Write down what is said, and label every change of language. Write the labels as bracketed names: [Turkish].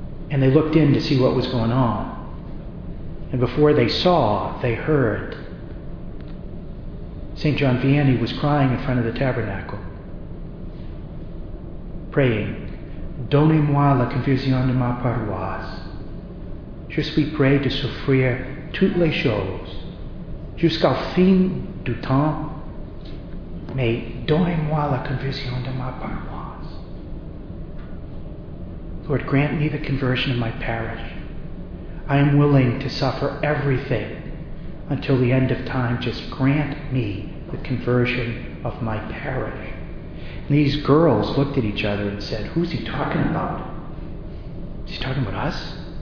[English] And they looked in to see what was going on. And before they saw, they heard. St. John Vianney was crying in front of the tabernacle, praying, [French] "Donnez-moi la confusion de ma paroisse. Je suis prêt de souffrir toutes les choses jusqu'au fin du temps. Mais donnez-moi la confusion de ma paroisse. [English] Lord, grant me the conversion of my parish. I am willing to suffer everything until the end of time. Just grant me the conversion of my parish." And these girls looked at each other and said, "Who's he talking about? Is he talking about us?"